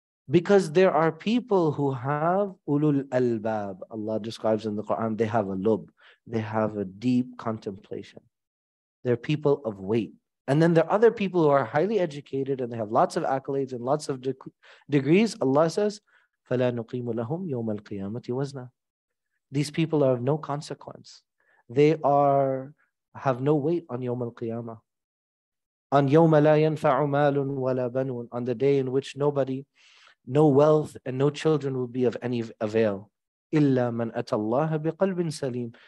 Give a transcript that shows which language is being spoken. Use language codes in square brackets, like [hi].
[en] Because there are people who have ulul albab, Allah describes in the Quran, they have a lub, they have a deep contemplation. They're people of weight. And then there are other people who are highly educated and they have lots of accolades and lots of degrees. [ar] Allah says, فَلَا نُقِيمُ لَهُمْ يَوْمَ الْقِيَامَةِ وَزْنًا. [en] These people are of no consequence. They are have no weight on [ar] يَوْمَ الْقِيَامَةِ. On يَوْمَ لَا يَنْفَعُ مَالٌ وَلَا بَنُونَ. [en] On the day in which nobody, no wealth and no children will be of any avail. [ar] إِلَّا مَنْ أَتَى اللَّهَ بِقَلْبٍ سَلِيمٍ.